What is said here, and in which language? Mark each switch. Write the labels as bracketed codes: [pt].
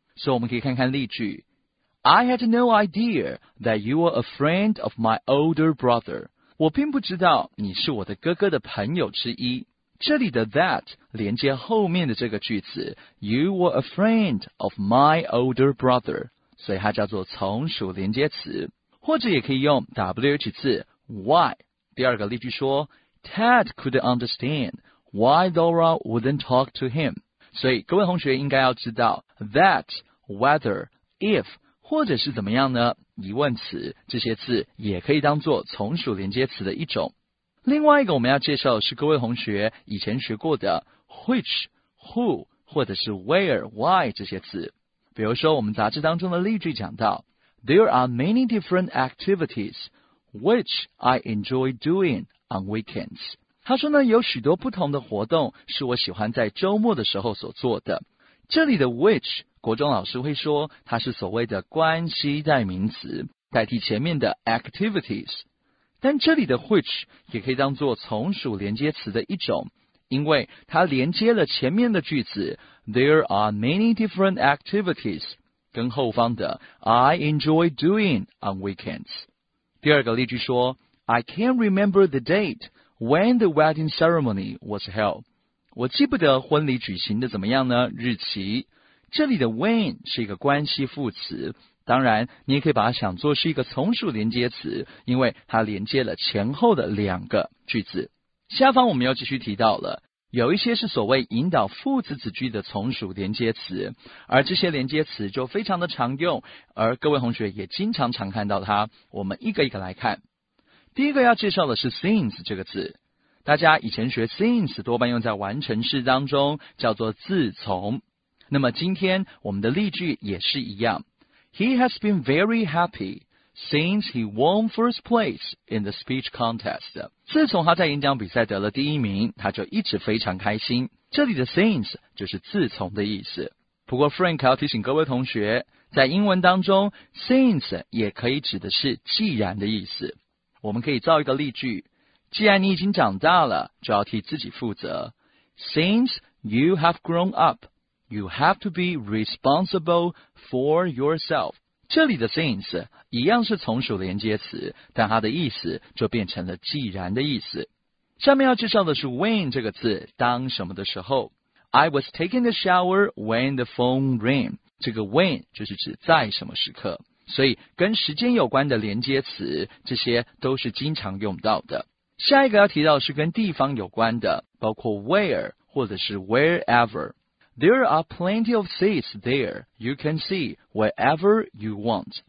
[zh] 所以我们可以看看例句， [en] I had no idea that you were a friend of my older brother. [zh] 我并不知道你是我的哥哥的朋友之一。这里的 that 连接后面的这个句子， [en] You were a friend of my older brother. [zh] 所以它叫做从属连接词。或者也可以用 wh 字 why。第二个例句说， [en] Ted couldn't understandWhy Laura wouldn't talk to him. [zh] 所以各位同学应该要知道 that, whether, if, 或者是怎么样呢？疑问词，这些字也可以当作从属连接词的一种。另外一个我们要介绍的是各位同学以前学过的 which, who, 或者是 where, why 这些字。比如说我们杂志当中的例句讲到， [en] There are many different activities which I enjoy doing on weekends. [zh] 他说呢，有许多不同的活动是我喜欢在周末的时候所做的。这里的 which， 国中老师会说它是所谓的关系代名词，代替前面的 activities。但这里的 which 也可以当作从属连接词的一种，因为它连接了前面的句子 [en] There are many different activities [zh] 跟后方的 [en] I enjoy doing on weekends。 [zh] 第二个例句说， [en] I can't remember the dateWhen the wedding ceremony was held. [zh] 我记不得婚礼举行的怎么样呢？日期。这里的 when 是一个关系副词，当然你也可以把它想作是一个从属连接词，因为它连接了前后的两个句子。下方我们又继续提到了，有一些是所谓引导副词子句的从属连接词，而这些连接词就非常的常用，而各位同学也经常常看到它，我们一个一个来看。第一个要介绍的是 since 这个字，大家以前学 since 多半用在完成式当中，叫做自从。那么今天我们的例句也是一样， [en] He has been very happy since he won first place in the speech contest. [zh] 自从他在演讲比赛得了第一名，他就一直非常开心。这里的 since 就是自从的意思。不过 Frank 要提醒各位同学，在英文当中 since 也可以指的是既然的意思。我们可以造一个例句，既然你已经长大了，就要替自己负责。 [en] Since you have grown up, you have to be responsible for yourself. [zh] 这里的 since 一样是从属连接词，但它的意思就变成了既然的意思。下面要介绍的是 when 这个字，当什么的时候。 [en] I was taking a shower when the phone rang. [zh] 这个 when 就是指在什么时刻。所以跟时间有关的连接词，这些都是经常用到的。下一个要提到是跟地方有关的，包括 where 或者是 wherever。 [en] There are plenty of seats there. You can see wherever you want.